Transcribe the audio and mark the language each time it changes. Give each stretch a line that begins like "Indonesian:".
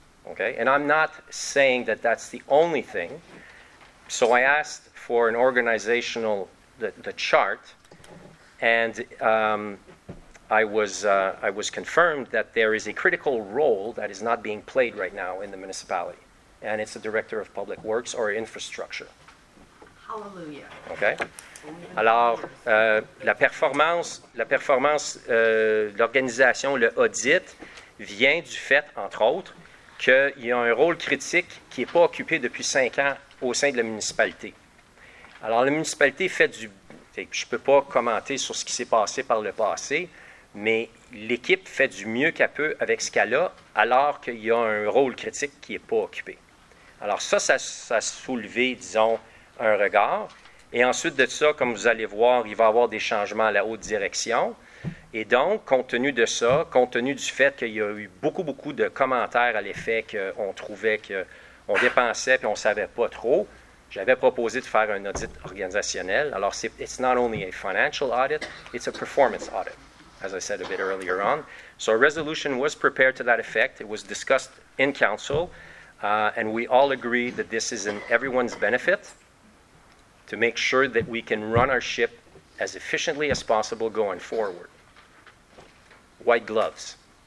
English: Okay, and I'm not saying that that's the only thing. So I asked for an organizational, the chart, and I was confirmed that there is a critical role that is not being played right now in the municipality, and it's the director of public works or infrastructure. Hallelujah. Okay.
French: Alors, la performance, l'organisation, le audit vient du fait, entre autres, qu'il y a un rôle critique qui n'est pas occupé depuis 5 ans au sein de la municipalité. Alors, la municipalité fait du... Je ne peux pas commenter sur ce qui s'est passé par le passé, mais l'équipe fait du mieux qu'elle peut avec ce cas-là, alors qu'il y a un rôle critique qui n'est pas occupé. Alors ça a soulevé, disons, un regard. Et ensuite de ça, comme vous allez voir, il va y avoir des changements à la haute direction. Et donc, compte tenu de ça, compte tenu du fait qu'il y a eu beaucoup, beaucoup de commentaires à l'effet qu'on trouvait qu'on dépensait et on ne savait pas trop, j'avais proposé de faire un audit organisationnel.
English: Alors, it's not only a financial audit, it's a performance audit, as I said a bit earlier on. So a resolution was prepared to that effect. It was discussed in council, and we all agree that this is in everyone's benefit to make sure that we can run our ship as efficiently as possible going forward. White gloves.